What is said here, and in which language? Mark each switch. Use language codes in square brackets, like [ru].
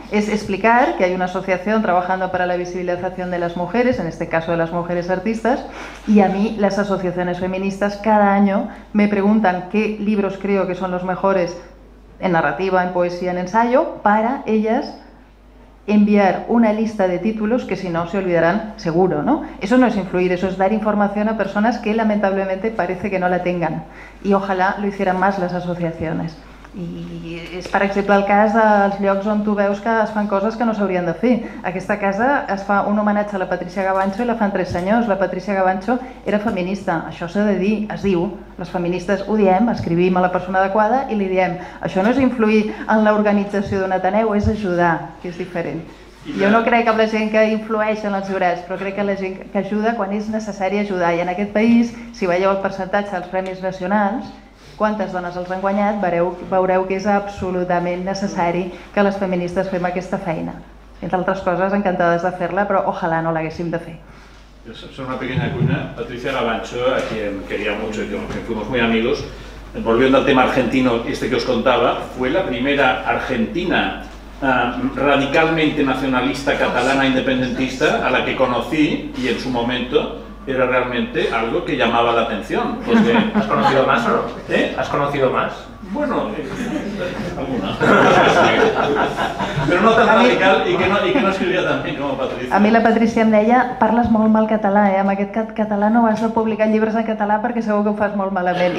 [es] Es explicar que hay una asociación trabajando para la visibilización de las mujeres, en este caso de las mujeres artistas, y a mí las asociaciones feministas cada año me preguntan qué libros creo que son los mejores en narrativa, en poesía, en ensayo, para ellas enviar una lista de títulos que si no se olvidarán seguro, ¿no? Eso no es influir, eso es dar información a personas que lamentablemente parece que no la tengan y ojalá lo hicieran más las asociaciones. [ca] I és, per exemple, el cas dels llocs on tu veus que es fan coses que no s'haurien de fer. Aquesta casa es fa un homenatge a la Patricia Gavancho i la fan tres senyors. La Patricia Gavancho era feminista, això s'ha de dir, es diu. Les feministes ho diem, escrivim a la persona adequada i li diem. Això no és influir en l'organització d'un Ateneu, és ajudar, que és diferent. Jo no crec en la gent que influeix en els jurats, però crec en la gent que ajuda quan és necessari ajudar. I en aquest país, si veieu el percentatge dels premis nacionals, quantes dones els han guanyat, veureu que és absolutament necessari que les feministes fem aquesta feina. Entre altres coses, encantades de fer-la, però ojalà no l'haguéssim de fer. [es] Jo soc una pequeña cuina. Patricia Gavancho, a qui em quería mucho, y que fuimos muy amigos, volviendo al tema argentino este que os contaba, fue la primera argentina radicalmente nacionalista catalana independentista a la que conocí y en su momento era realmente algo que llamaba la atención. Porque... ¿Has conocido más o no? ¿Eh? ¿Has conocido más? Bueno, alguna. Pero no tan radical y que no escribía tan bien como Patricia. A mí la Patricia me decía, [ca] parles molt mal català, eh? Amb aquest català no vas a publicar llibres en català perquè segur que ho fas molt malament.